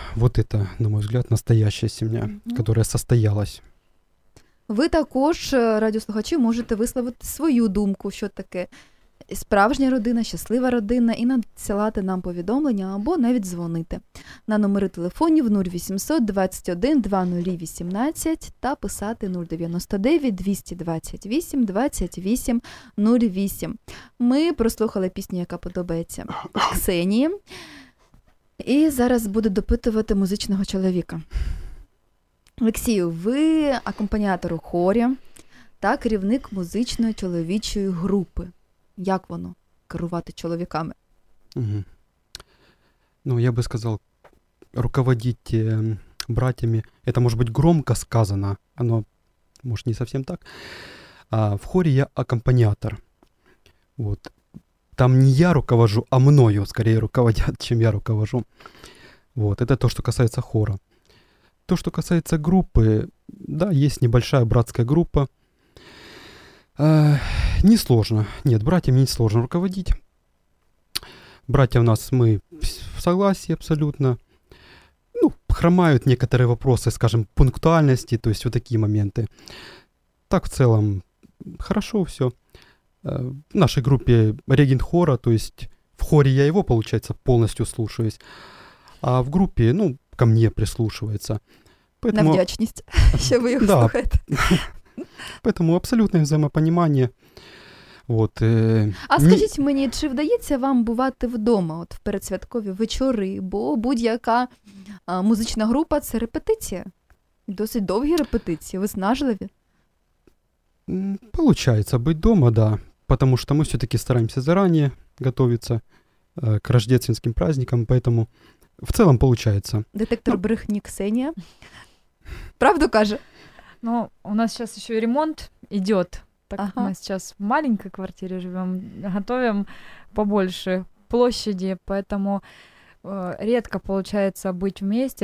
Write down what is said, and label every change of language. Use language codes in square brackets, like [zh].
[ru] Вот это, на мой взгляд, настоящая семья, которая состоялась. [uk] Ви також, радіослухачі, можете висловити свою думку, що таке справжня родина, щаслива родина, і надсилати нам повідомлення або навіть дзвонити на номери телефонів 0800-21-2018 та писати 099-228-2808. Ми прослухали пісню, яка подобається Ксенії, і зараз буде допитувати музичного чоловіка. Олексію, ви акомпаніатор у хорі та керівник музичної чоловічої групи. Як воно, керувати чоловіками? Угу. Ну, я би сказав, руководити братьями, це, може бути, громко сказано, воно, може, не зовсім так. А в хорі я акомпаніатор. Вот. [ru] Там не я руковожу, а мною, скорее, руководят, чим я руковожу. Вот. Это то, что касается хора. То, что касается группы, да, есть небольшая братская группа. Не сложно. Нет, братьям не сложно руководить. Братья у нас, мы в согласии абсолютно. Ну, хромают некоторые вопросы, скажем, пунктуальности, то есть вот такие моменты. Так в целом хорошо все. В нашей группе регент хора, то есть в хоре я его, получается, полностью слушаюсь. А в группе, ну, ко мне прислушивается. Поэтому... [uk] На вдячність, що ви його слухаєте. [ru] Поэтому абсолютное взаимопонимание. Вот, [uk] а скажите мне, чи вдається вам бувати вдома от в передсвяткові вечори, бо будь-яка музична група – це репетиція? Досить довгі репетиції, виснажливі? [ru] Получается быть дома, да, потому что мы все-таки стараемся заранее готовиться к рождественским праздникам, поэтому в целом получается. [uk] Детектор брехни Ксения. Правду каже? [ru] Ну, у нас сейчас еще и ремонт идет. Так как мы сейчас в маленькой квартире живем, готовим побольше площади, поэтому редко получается быть вместе.